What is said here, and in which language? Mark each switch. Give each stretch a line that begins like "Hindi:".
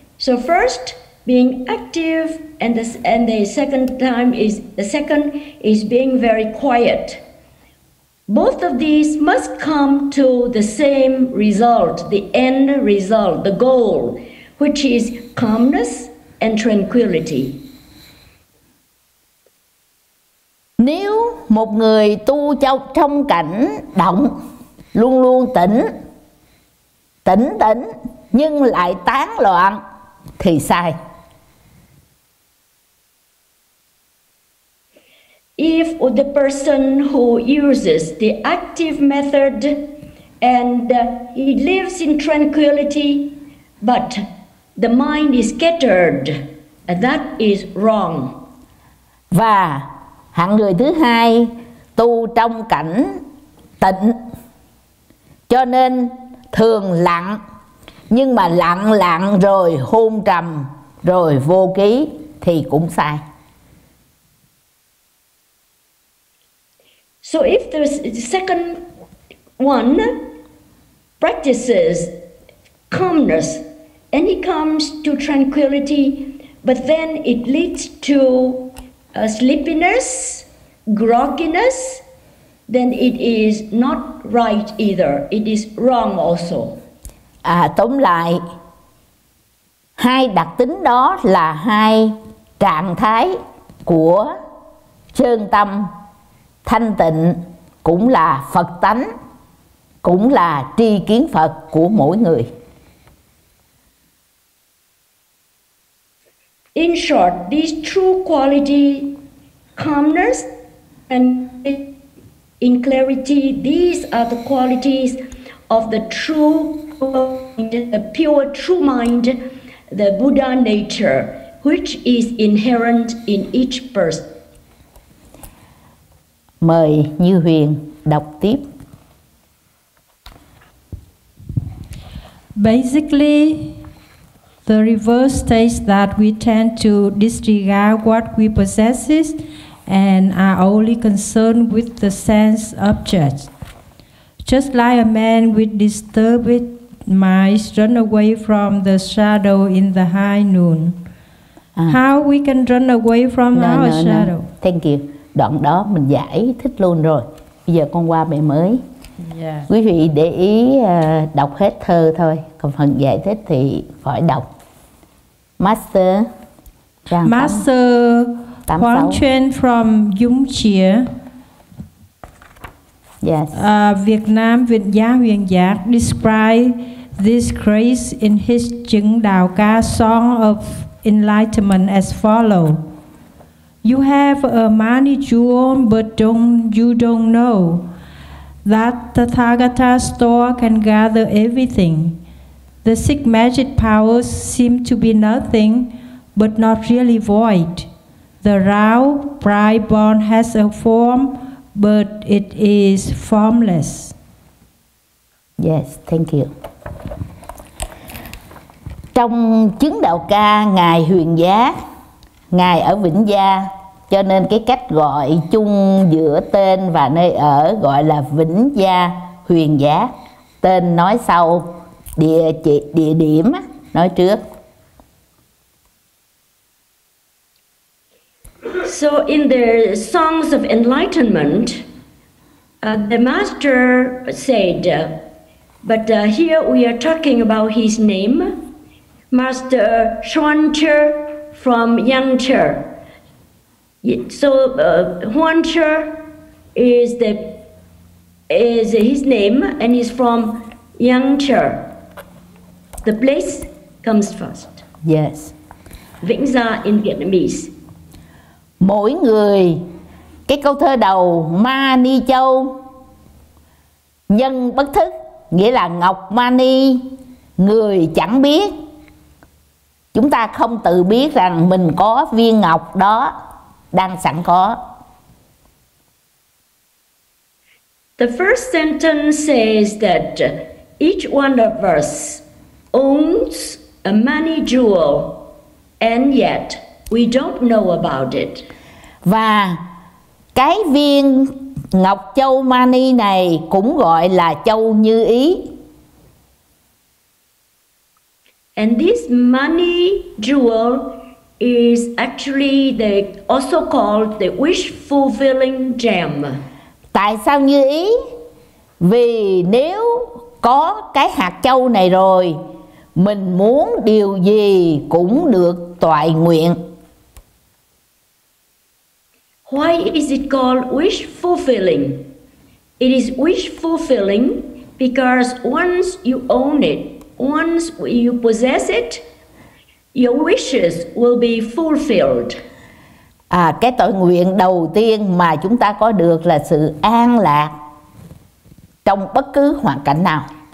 English: So first, being active, and the second is being very quiet. Both of these must come to the same result, the end result, the goal, which is calmness and tranquility.
Vietnamese: Nếu một người tu trong cảnh động, luôn luôn tỉnh, tỉnh tỉnh, nhưng lại tán loạn, thì sai.
English: If the person who uses the active method and he lives in tranquility, but the mind is scattered, that is wrong.
Vietnamese: Và hạng người thứ hai tu trong cảnh tịnh, cho nên thường lặng, nhưng mà lặng lặng rồi hôn trầm rồi vô ký thì cũng sai.
English: So if the second one practices calmness and he comes to tranquility, but then it leads to sleepiness, grogginess, then it is not right either. It is wrong also.
Vietnamese: À, tóm lại, hai đặc tính đó là hai trạng thái của chân tâm thanh tịnh cũng là Phật tánh, cũng là tri kiến Phật của mỗi người.
English: In short, these true qualities, calmness and in clarity, these are the qualities of the true mind, the pure true mind, the Buddha nature, which is inherent in each person.
Vietnamese: Mời Như Huyền đọc tiếp.
English: Basically, the reverse states that we tend to disregard what we possess and are only concerned with the sense objects. Just like a man with disturbed mind run away from the shadow in the high noon. How we can run away from shadow? Thank you.
Vietnamese: Đoạn đó mình giải thích luôn rồi. Bây giờ con qua bài mới.
English: Yeah.
Vietnamese: Quý vị để ý đọc hết thơ thôi, còn phần giải thích thì khỏi đọc.
English: Master trang Master Huang Chuyên from Dung Chia. Yes. Việt Nam Vinh Gia Huyền Giác describe this grace in his Chứng Đạo Ca Song of Enlightenment as follow. You have a money jewel, but you don't know that the Tathagata store can gather everything. The six magic powers seem to be nothing, but not really void. The round bright bone has a form, but it is formless. Yes, thank you.
Vietnamese: Trong Chứng Đạo Ca, Ngài Huyền Giác, Ngài ở Vĩnh Gia, cho nên cái cách gọi chung giữa tên và nơi ở gọi là Vĩnh Gia Huyền Giác. Tên nói sau, địa điểm nói trước.
English: So in the Songs of Enlightenment, the master said, but here we are talking about his name, Master Xuanzhi from Yangzhi. So Huangzhi is his name, and he's from Yangzhi. The place comes first. Yes. Vĩnh Gia in Vietnamese.
Vietnamese: Mỗi người, cái câu thơ đầu Ma Ni Châu, nhân bất thức, nghĩa là Ngọc Ma Ni, người chẳng biết. Chúng ta không tự biết rằng mình có viên ngọc đó đang sẵn có.
English: The first sentence says that each one of us owns a money jewel and yet we don't know about it.
Vietnamese: Và cái viên ngọc châu money này cũng gọi là châu như ý.
English: And this money jewel is actually the also called the wish fulfilling gem.
Vietnamese: Tại sao như ý? Vì nếu có cái hạt châu này rồi, mình muốn điều gì cũng được toại nguyện.
English: Why is it called wish fulfilling? It is wish fulfilling because once you own it, once you possess it, your wishes will be fulfilled.
Vietnamese: À, cái tội nguyện đầu tiên mà chúng ta có được là sự an lạc trong bất cứ hoàn cảnh nào.